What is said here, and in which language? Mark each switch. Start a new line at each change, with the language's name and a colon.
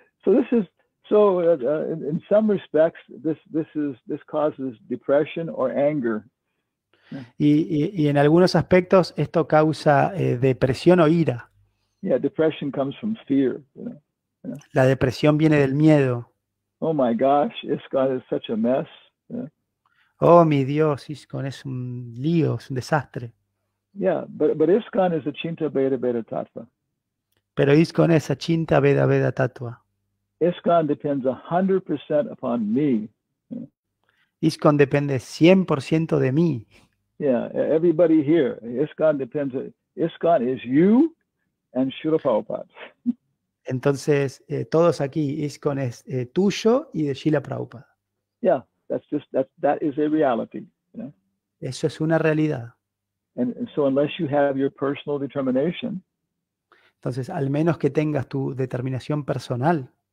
English: So this is so in some respects this causes depression or anger.
Spanish: Y en algunos aspectos esto causa depresión o ira.
English: Yeah, depression comes from fear.
Spanish: La depresión viene del miedo.
English: Oh my gosh, Iscon is such a mess. Yeah.
Spanish: Oh mi Dios, Iscon es un lío, es un desastre.
English: Yeah, but Iscon is Achinta Veda Veda Tattva.
Spanish: Pero Iscon es Achinta Veda Veda Tattva.
English: Iscon depends 100% upon me. Yeah.
Spanish: Iscon depende 100% de mí.
English: Yeah, everybody here. Iscon depends. Iscon is you and Srila Prabhupada.
Spanish: Entonces, todos aquí, Iscon es tuyo y de Srila Prabhupada.
English: Yeah, that is a reality. Yeah.
Spanish: Eso es una realidad.
English: And so unless you have your personal determination.
Spanish: Entonces, al menos que tengas tu determinación personal.